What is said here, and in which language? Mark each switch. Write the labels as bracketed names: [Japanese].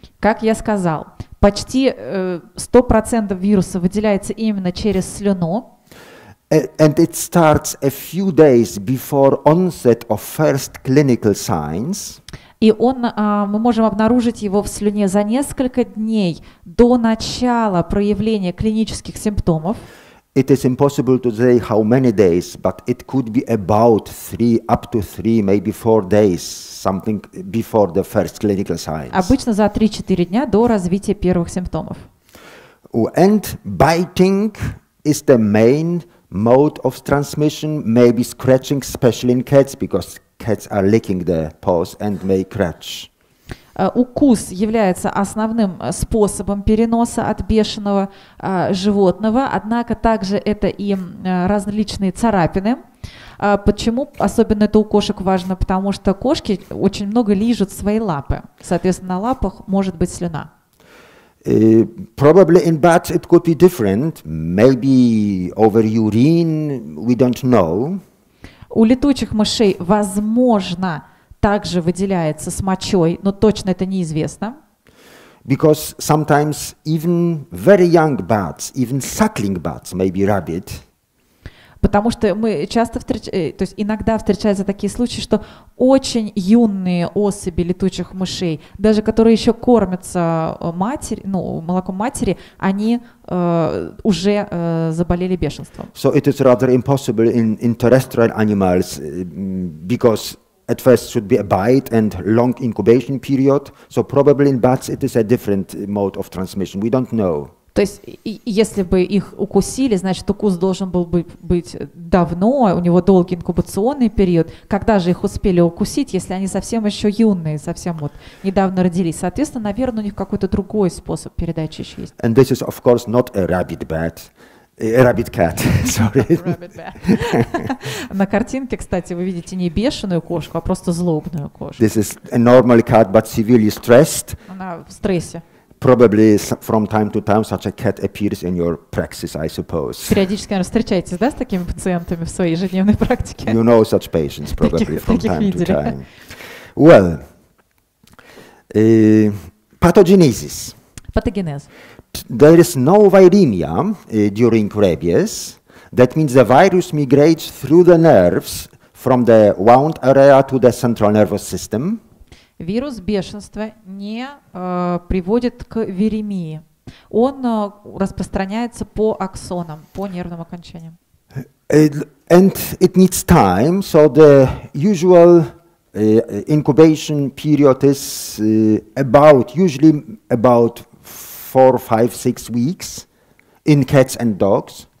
[Russian] Как я сказал, почти 100% вируса выделяется именно через слюну. [English] And it starts a few days before onset of first clinical signs. [Russian] И он, мы можем обнаружить его в слюне за несколько дней до начала проявления клинических симптомов. [English] It is impossible to say how many days, but it could be about three, up to three, maybe four days, something before the first clinical signs. [Russian] Обычно за 3-4 дня до развития первых симптомов. [English] And biting is the main mode of transmission, maybe scratching, especially in cats, because cats are licking the paws and may scratch. [Russian] Укус является основным способом переноса от бешеного животного, однако также это и различные царапины. Почему особенно это у кошек важно? Потому что кошки очень много лижут свои лапы. Соответственно, на лапах может быть слюна. [English] Probably in bats it could be different. Maybe over urine, we don't know. [Russian] У летучих мышей, возможно, также выделяется с мочой, но точно это неизвестно. [English] Because sometimes even very young bats, even suckling bats, maybe rabbit. [Russian] Потому что мы часто то есть иногда встречаются такие случаи, что очень юные особи летучих мышей, даже которые еще кормятся молоком матери, они уже заболели бешенством. [English] So it is rather impossible in terrestrial animals, because at first should be a bite and long incubation period. So probably in bats it is a different mode of transmission. We don't know. [Russian] То есть, если бы их укусили, значит, укус должен был бы быть давно, у него долгий инкубационный период. Когда же их успели укусить, если они совсем еще юные, совсем вот недавно родились? Соответственно, наверное, у них какой-то другой способ передачи еще есть. [English] And this is, of course, not a rabbit bat. A rabbit cat, sorry. Rabbit bat. [Russian] На картинке, кстати, вы видите не бешеную кошку, а просто злобную кошку. [English] This is a normal cat, but severely stressed. [Russian] Она в стрессе. [English] Probably from time to time such a cat appears in your practice, I suppose. [Russian] Периодически, наверное, встречаетесь, да, с такими пациентами в своей ежедневной практике? [English] You know such patients probably from time [Russian] видели. [English] To time. Well, pathogenesis. [Russian] Патогенез. [English] There is no viremia during rabies. That means the virus migrates through the nerves from the wound area to the central nervous system. [Russian] Вирус бешенства не приводит к виремии. Он распространяется по аксонам, по нервным окончаниям. [English] And it needs time, so the usual incubation period is usually about 4-5-6 weeks in cats and dogs.